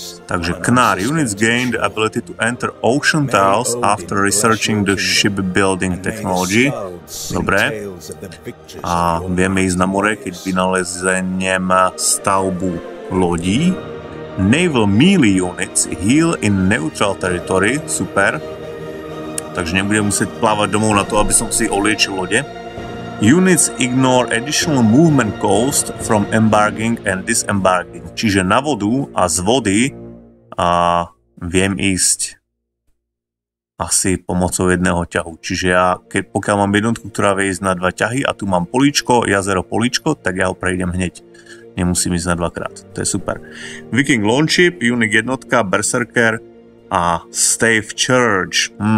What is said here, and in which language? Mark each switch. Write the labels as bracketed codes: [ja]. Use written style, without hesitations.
[en] Takže Knar, units gained ability to enter ocean tiles after researching the ship building technology. [sk] Dobre. A vieme ísť na more, keď vynalezeniem stavbu lodí. [en] Naval melee units heal in neutral territory, super. [sk] Takže nebudem musieť plávať domov na to, aby som si oliečil lode. [en] Units ignore additional movement cost from embarking and disembarking. [sk] Čiže na vodu a z vody a viem ísť asi pomocou jedného ťahu. Čiže ja, pokiaľ mám jednotku, ktorá vie ísť na dva ťahy a tu mám políčko, jazero políčko, tak ja ho prejdem hneď. Nemusím ísť na dvakrát, to je super. Viking Longship, unique jednotka, Berserker a Stave Church.